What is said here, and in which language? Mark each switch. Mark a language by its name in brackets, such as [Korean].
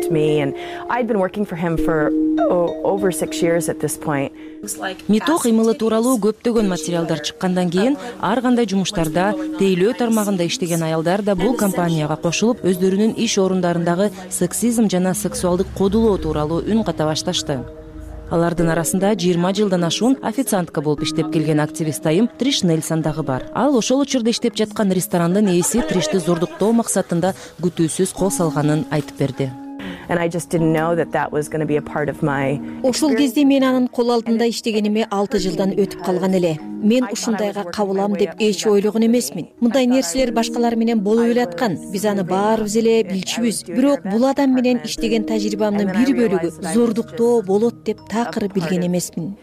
[Kyrgyz] Мето кыймылы тууралуу көптөгөн материалдар чыккандан кийин ар кандай жумуштарда тейлөө тармагында иштеген аялдар да бул компанияга кошулуп өздөрүнүн иш орундарындагы сексизм жана сексуалдык кодулоо тууралуу үн ката башташты. Алардын арасында 20 жылдан ашуун официантка болуп иштеп келген активист айым Триш Нельсон дагы бар. Ал ошол учурда иштеп жаткан ресторандын ээси Тришти зордуктоо максатында күтүүсүз кол салганын айтып берди. [English] And I just didn't know that that was going to be a part of my [Kyrgyz] Ошол кезде мен анын кол алдында иштегениме 6 жылдан өтүп калган эле. Мен ушундайга кабылам деп эч ойлогон эмесмин. Мындай нерселер башкалар менен болуп эле аткан. Биз аны баарыбыз эле билчибиз. Бирок бул адам менен иштеген тажрыйбамдын бир бөлүгү зордуктоо болот деп такыр билген эмесмин.